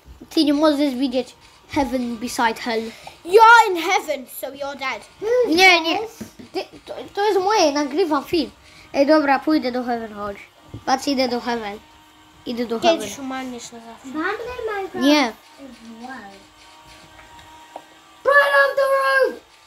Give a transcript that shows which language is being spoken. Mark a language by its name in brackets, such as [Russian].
[Polish] Ty nie możesz widzieć [English] heaven beside hell. You're in heaven, so you're dead. [Polish] Nie, nie. To jest moje, nagrywam film. Ej, dobra, pójdę do heaven, chodź. Patrz, idę do heaven. Idę do heaven. Kiedyś umarniesz na zawsze. Nie. [English] Right on the road!